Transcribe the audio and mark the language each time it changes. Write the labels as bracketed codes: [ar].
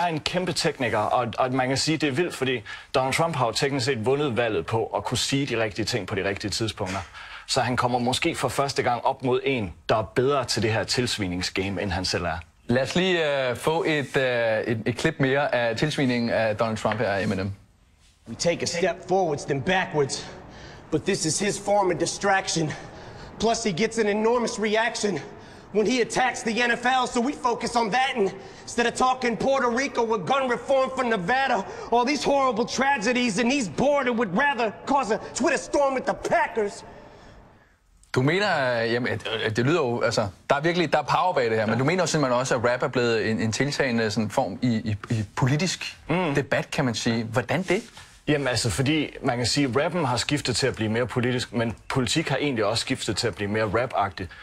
[da] Han er en kæmpe tekniker, og man kan sige, det er vildt, fordi Donald Trump har jo teknisk set vundet valget på at kunne sige de rigtige ting på de rigtige tidspunkter. Så han kommer måske for første gang op mod en, der er bedre til det her tilsvinings-game, end han selv er. Lad os lige få et klip mere af tilsvinningen af Donald Trump her, Eminem. [en] We take a step forwards, then backwards. But this is his form of distraction. Plus, he gets an enormous reaction when he attacks the NFL, so we focus on that and instead of talking Puerto Rico with gun reform for Nevada, all these horrible tragedies, and he's bored and would rather cause a Twitter storm with the Packers. [da] Du mener, jamen, det lyder jo, altså, der er virkelig power bag det her, ja. Men du mener jo simpelthen også, at rap er blevet en tiltagende sådan form i politisk debat, kan man sige. Hvordan det? Jamen altså, fordi man kan sige, at rappen har skiftet til at blive mere politisk, men politik har egentlig også skiftet til at blive mere rap-agtig.